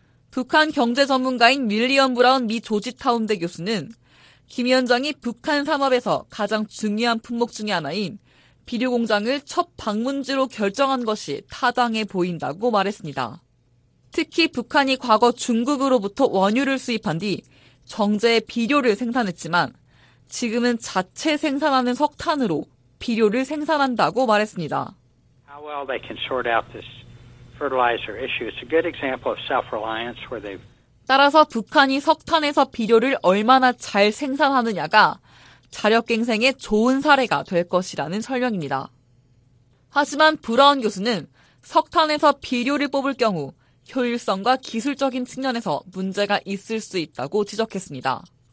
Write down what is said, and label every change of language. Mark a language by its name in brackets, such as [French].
[Korean] 북한 경제 전문가인 윌리엄 브라운 미 조지타운대 교수는 김 위원장이 북한 산업에서 가장 중요한 품목 중의 하나인 비료 공장을 첫 방문지로 결정한 것이 타당해 보인다고 말했습니다. 특히 북한이 과거 중국으로부터 원유를 수입한 뒤 정제의 비료를 생산했지만 지금은 자체 생산하는 석탄으로 비료를 생산한다고 말했습니다. [English] How well they can sort out this fertilizer issue. It's a good example of self-reliance where they [Korean] 따라서 북한이 석탄에서 비료를 얼마나 잘 생산하느냐가 자력갱생의 좋은 사례가 될 것이라는 설명입니다. 하지만 브라운 교수는 석탄에서 비료를 뽑을 경우 효율성과 기술적인 측면에서 문제가 있을 수 있다고 지적했습니다.